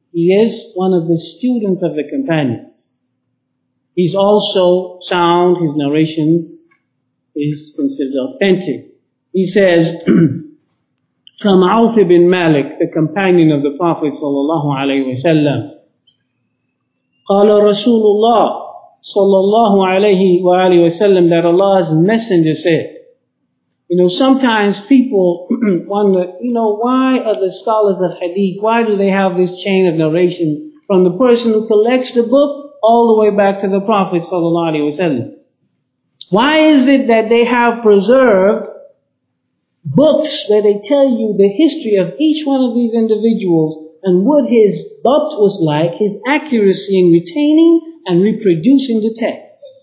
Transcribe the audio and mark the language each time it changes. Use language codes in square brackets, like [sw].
[en] He is one of the students of the companions. He's also sound, his narrations is considered authentic. He says, from Awf ibn Malik, the companion of the Prophet sallallahu alayhi wa sallam. [ar] قال رسول الله صلى الله عليه وآله وسلم, [en] that Allah's messenger said. You know, sometimes people wonder, you know, why are the scholars of hadith, why do they have this chain of narration from the person who collects the book all the way back to the Prophet sallallahu alaihi wasallam? Why is it that they have preserved books where they tell you the history of each one of these individuals and what his dhabt was like, his accuracy in retaining and reproducing the text?